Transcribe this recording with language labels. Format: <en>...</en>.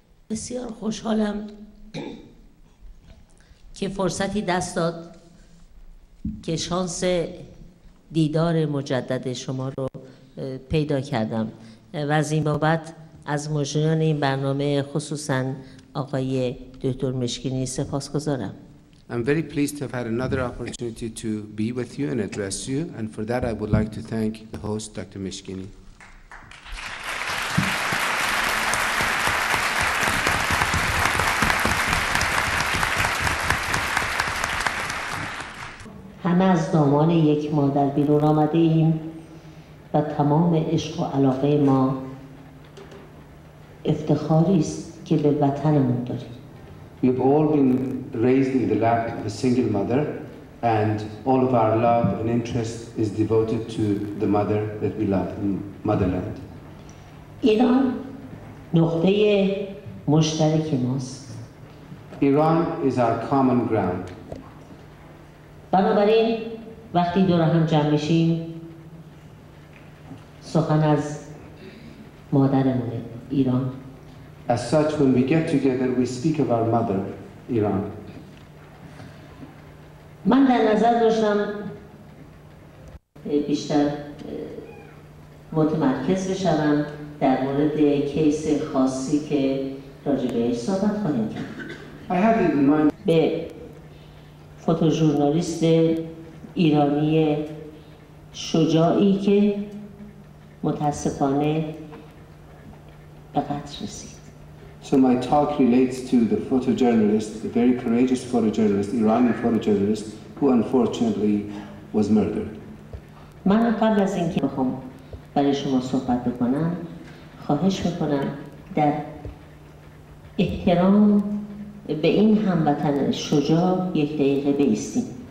<fa>بسیار خوشحالم که فرصتی دست داد که شانس دیدار مجدد شما رو پیدا کردم و از این بابت از مجریان این برنامه خصوصا آقای دکتر مشکینی سپاسگزارم.</fa> <en>I'm very pleased to have had another opportunity to be with you and address you, and for that I would like to thank the host, Dr. Mishkini.</en> <fa>همه از دامان یک مادر بیرون آمده ایم و تمام عشق و علاقه ما افتخاری است که به وطنمون داریم.</fa> <en>We have all been raised in the lap of a single mother, and all of our love and interest is devoted to the mother that we love, in motherland.</en> <fa>Iran, نقطه مشترک ماست.</fa> <en>Iran is our common ground.</en> <fa>بنابراین وقتی دور هم جمع میشیم سخن از مادرمون ایران.</fa> <en>As such, when we get together, we speak of our mother, Iran.</en> <fa>من در نظر داشتم بیشتر متمرکز بشم در مورد کیس خاصی که راجع بهش صحبت خواهیم کرد.</fa> <en>I had it in mind.</en> <fa>به فوتوژورنالیست ایرانی شجاعی که متاسفانه به قتل رسید.</fa> <en>So my talk relates to the photojournalist, the very courageous photojournalist, Iranian photojournalist, who unfortunately was murdered.</en> <fa>من قبل از اینکه بخوام برای شما صحبت بکنم، خواهش میکنم در احترام به این هموطن شجاع یک دقیقه بایستیم.</fa>